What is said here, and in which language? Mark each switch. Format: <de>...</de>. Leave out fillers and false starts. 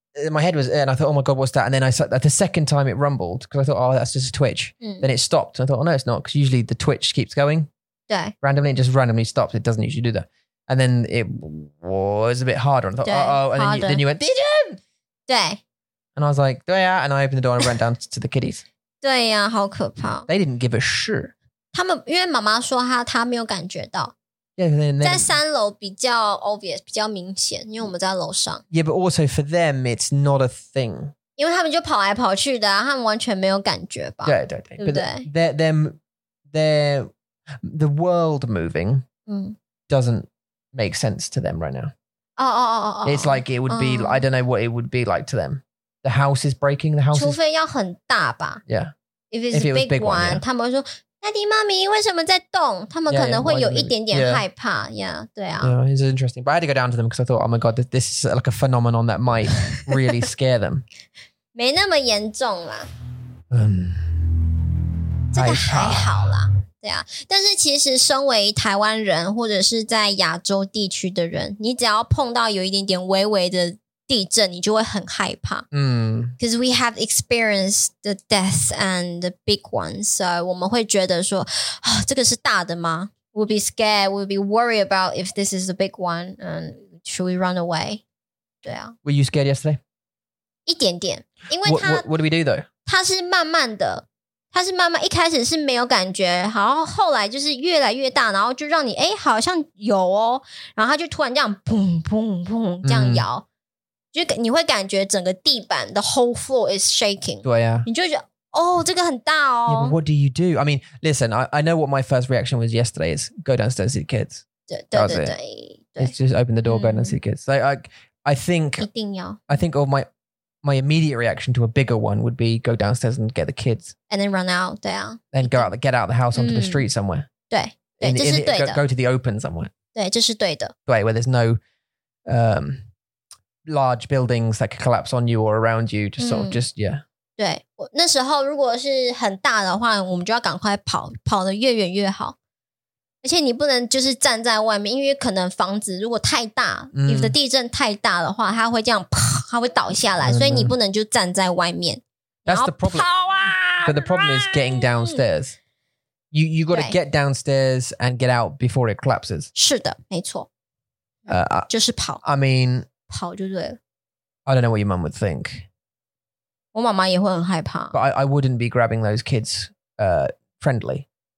<en>My head was, and I thought, oh my God, what's that? And then I saw that the second time it rumbled because I thought, oh, that's just a twitch. Then it stopped. I thought, oh no, it's not because usually the twitch keeps going. Yeah. Randomly, it just randomly stops. It doesn't usually do that. And then it was a bit harder. And I thought, oh, and then you went, did you? Yeah. And I was like, yeah. And I opened the door and ran down to the kiddies.</en> <zh>Yeah, 好可怕。</zh> <en>They didn't give a shit.</en> <zh>他们因为妈妈说她没有感觉到。</zh> <en>Yeah, then,</en> <zh>在三楼比较 obvious, 比较明显因为我们在楼上。</zh> <en>Yeah, but also for them, it's not a thing.</en> <zh>因为他们就跑来跑去的、啊、他们完全没有感觉吧。对对对。对不对</zh> <en>the world moving doesn't make sense to them right now. Oh, oh, oh, oh. It's like it would be,、I don't know what it would be like to them. The house is breaking, the house</en> <zh>除非要很大吧。</zh> <en>Yeah. If it was a big one,</en> <zh>他们会说Daddy, mommy, 为什么在动？他们可能会有一点点害怕。 Yeah, 对啊。</zh> <en>Yeah, it's interesting. But I had to go down to them because I thought, oh my God, this is like a phenomenon that might really scare them.</en> <zh>没那么严重啦。这个还好啦。对啊。但是其实身为台湾人或者是在亚洲地区的人，你只要碰到有一点点微微的地震，你就会很害怕。</zh> <en>Because we have experienced the deaths and the big ones, so</en> <zh>我们会觉得说，啊，这个是大的吗？</zh> <en>We'll be scared, we'll be worried about if this is a big one, and should we run away?</en> <zh>对啊。</zh> <en>Were you scared yesterday?</en> <zh>一点点，因为</zh> <en>What do we do though?</en> <zh>它是慢慢的，它是慢慢，一开始是没有感觉，然后后来就是越来越大，然后就让你，诶，好像有哦，然后它就突然这样，砰砰砰，这样摇。就你会感觉整个地板</zh> <en>the whole floor is shaking.</en> <zh>对啊。你就会觉得哦这个很大哦。</zh> <en>Yeah, but what do you do? I mean, listen, I know what my first reaction was yesterday is go downstairs see the kids.</en> <zh>对对对对。</zh> <en>It's just open the door, go downstairs see the kids. So I think,</en> <zh>一定要。</zh> <en>I think of my immediate reaction to a bigger one would be go downstairs and get the kids. And then run out,</en> <zh>对啊。</zh> <en>Then get out of the house onto the street somewhere.</en> <zh>对。对这是对的。</zh> <en>Go to the open somewhere.</en> <zh>对这是对的。</zh> <en>对 where there's no... large buildings that could collapse on you or around you, just sort of just, yeah.</en> <zh>对，那时候如果是很大的话，我们就要赶快跑，跑得越远越好。而且你不能就是站在外面，因为可能房子如果太大，你的地震太大的话，它会这样，它会倒下来，所以你不能就站在外面。</zh> <en>That's the problem. But the problem is getting downstairs. You got to get downstairs and get out before it collapses.</en> <zh>是的，没错。就是跑。</zh> <en>I mean,</en> <zh>跑就对</zh> <en>了。I don't know what your mom would think.</en> <zh>我妈妈也会很害怕。</zh> <en>But I wouldn't be grabbing those kids friendly.</en>